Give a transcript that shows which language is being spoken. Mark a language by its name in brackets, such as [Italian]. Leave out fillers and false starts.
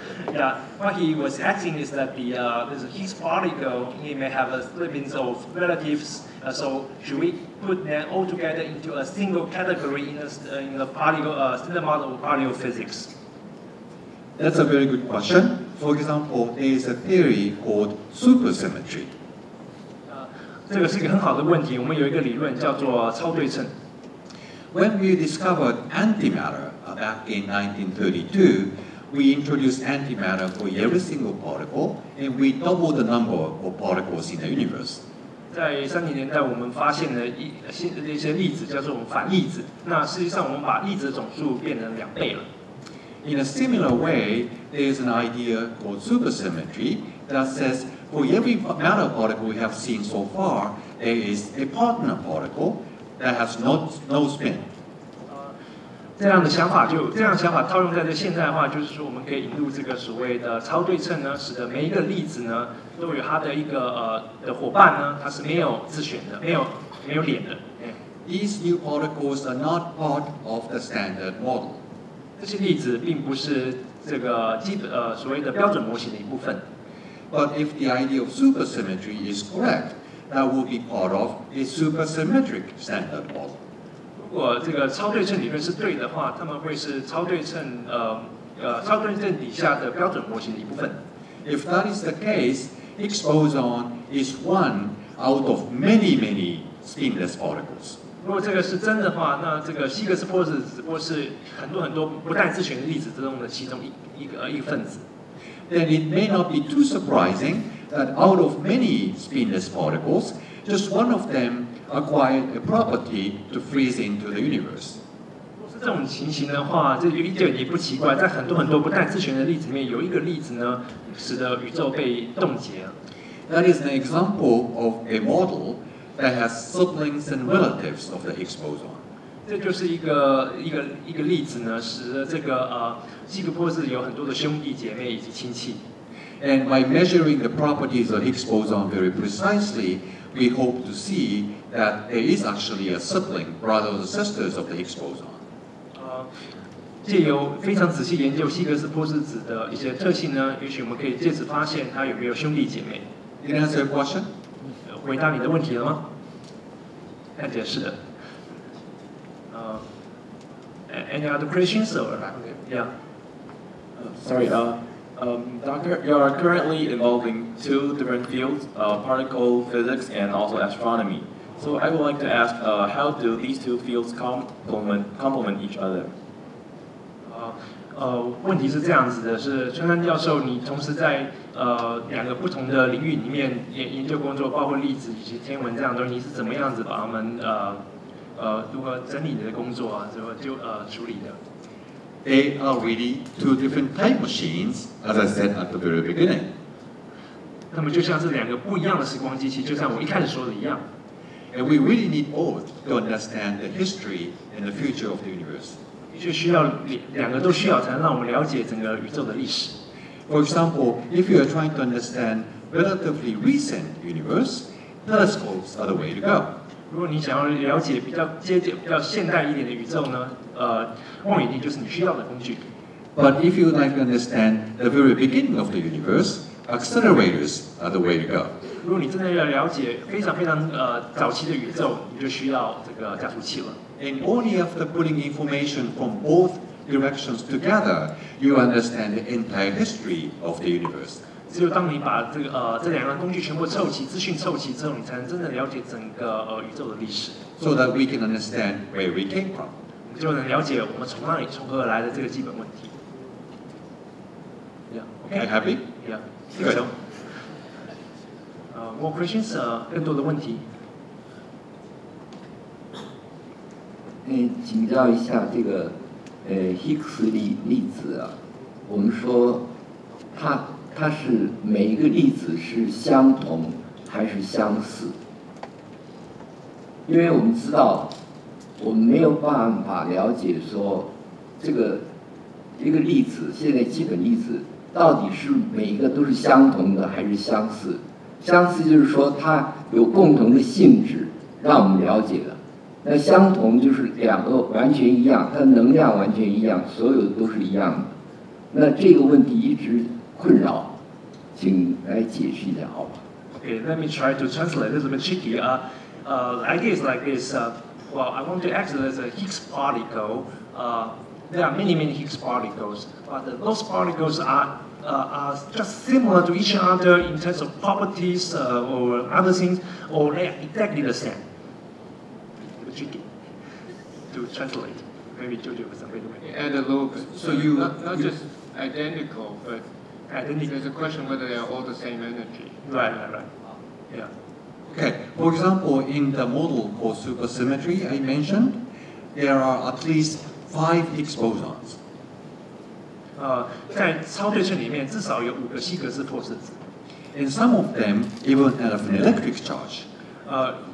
[English] Yeah, what he was asking is that his particle, he may have a siblings of relatives, so should we put them all together into a single category in the model of particle physics? That's a very good question. For example, there is a theory called supersymmetry. [Chinese] 这个是一个很好的问题，我们有一个理论叫做超对称。 [English] When we discovered antimatter back in 1932, we introduced antimatter for every single particle, and we doubled the number of particles in the universe. [Chinese] 在1930年代，我们发现了一些粒子，叫做反粒子。那实际上，我们把粒子的总数变成两倍了。 [English] In a similar way, there is an idea called supersymmetry that says for every matter particle we have seen so far, there is a partner particle. That has no spin. [Chinese] 这样的想法就这样的想法套用在这现在的话，就是说我们可以引入这个所谓的超对称呢，使得每一个粒子呢都有它的一个的伙伴呢，它是没有自旋的，没有脸的。 [English] These new particles are not part of the standard model. [Chinese] 这些粒子并不是这个基本所谓的标准模型的一部分。 [English] But if the idea of supersymmetry is correct. That will be part of a supersymmetric standard model. [Chinese] 如果这个超对称理论是对的话，他们会是超对称超对称底下的标准模型的一部分。 [English] If that is the case, Higgs boson is one out of many, many spinless particles. [Chinese] 如果这个是真的话，那这个希格斯波粒子只不过是很多很多不带自旋的粒子之中的其中一份子。 [English] Then it may not be too surprising. That out of many spinless particles, just one of them acquired a property to freeze into the universe. [Chinese] 若是这种情形的话，这一点也不奇怪。在很多很多不带自旋的粒子里面，有一个粒子呢，使得宇宙被冻结了。 [English] That is an example of a model that has siblings and relatives of the Higgs boson. [Chinese] 这就是一个例子呢，使得这个希格波是有很多的兄弟姐妹以及亲戚。 [English] And by measuring the properties of Higgs boson very precisely, we hope to see that there is actually a sibling, brothers or sisters of the Higgs boson. [Chinese] 借由非常仔细研究希格斯波粒子的一些特性呢，也许我们可以借此发现它有没有兄弟姐妹。 [English] Did I answer your question? [Chinese] 回答你的问题了吗？看起来是的。 [English] Any other questions or Sorry. Doctor, you are currently involved in two different fields, particle physics and also astronomy. So I would like to ask, how do these two fields complement each other? [Chinese] 问题是这样子的，是春山教授，你同时在两个不同的领域里面研究工作，包括粒子以及天文这样东西，你是怎么样子把他们如何整理你的工作啊，怎么就处理的？ [English] They are really two different type machines, as I said at the very beginning. [Chinese] 那么就像是两个不一样的时光机器，就像我一开始说的一样。 [English] And we really need both to understand the history and the future of the universe. [Chinese] 就需要两个都需要，才能让我们了解整个宇宙的历史。 [English] For example, if you are trying to understand relatively recent universe, telescopes are the way to go. [Chinese] 如果你想要了解比较接近、比较现代一点的宇宙呢？望远镜就是你需要的工具。 [English] But if you'd like to understand the very beginning of the universe, accelerators are the way to go. [Chinese] 如果你真的要了解非常非常早期的宇宙，你就需要这个加速器了。 [English] And only after putting information from both directions together, you understand the entire history of the universe. [Chinese] 只有当你把这个这两样工具全部凑齐，资讯凑齐之后，你才能真正了解整个宇宙的历史。 [English] So that we can understand where we came from. [Chinese] 就能了解我们从哪里从何而来的这个基本问题。 [English] Yeah. Okay. Are you happy? Yeah. Good. More questions, [Chinese] 更多的问题。那请教一下这个，Higgs 粒子啊，我们说它是每一个粒子是相同还是相似？因为我们知道，我们没有办法了解说这个一个粒子，现在基本粒子到底是每一个都是相同的还是相似。相似就是说它有共同的性质让我们了解的，那相同就是两个完全一样，它能量完全一样，所有的都是一样的。那这个问题一直困扰，请来解释一下好吧。 [English] Okay, let me try to translate this a bit tricky. Idea is like this. Well, I want to ask that there's a Higgs particle. There are many Higgs particles, but those particles are just similar to each other in terms of properties or other things, or they are exactly the same. To translate, maybe Jojo has a way to make it. Add a little bit. So you, not just identical, but there's a question whether they are all the same energy. Right. Yeah. Okay, for example, in the model for supersymmetry I mentioned, there are at least 5 Higgs bosons. [Chinese] 在超对称里面至少有五个希格斯破式子。 [English] And some of them even have an electric charge.